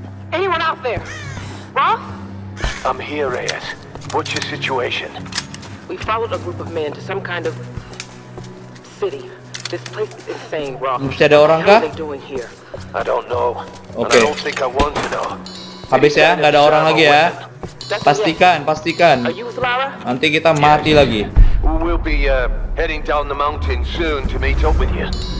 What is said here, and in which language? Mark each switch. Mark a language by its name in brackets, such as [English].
[English] Anyone out there? Roth? I'm here, Reyes. What's your situation? We followed a group of men to some kind of city. This place is insane, Roth. [Indonesian] Mesti ada orang kah? [English] I don't know. Okay. I don't think I want to know. [Indonesian] Habis ya, nggak ada orang lagi ya. Pastikan, pastikan. Nanti kita mati lagi. [English] We'll be heading down the mountain soon to meet up with you.